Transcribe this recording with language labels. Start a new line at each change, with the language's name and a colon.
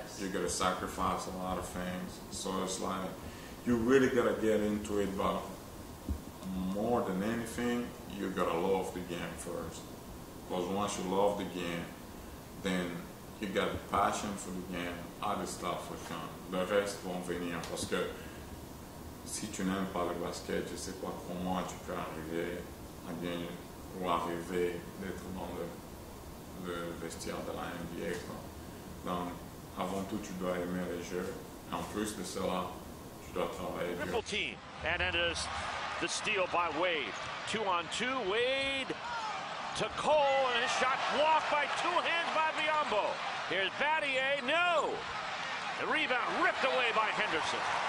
English: You gotta sacrifice a lot of things. So it's like, you really gotta get into it, but more than anything, you gotta love the game first. Because once you love the game, then you got the passion for the game, other stuff for sure.
French: Le reste vont venir parce que si tu n'aimes pas le basket, je sais pas comment tu peux arriver à gagner ou arriver d'être dans le vestiaire de la NBA. Quoi. Donc, avant tout, tu dois aimer les jeux. En plus de cela, tu dois travailler.
English: Triple team, and it is the steal by Wade. Two on two, Wade to Cole, and his shot blocked by two hands by Biyombo. Here's Battier, no! The rebound ripped away by Henderson.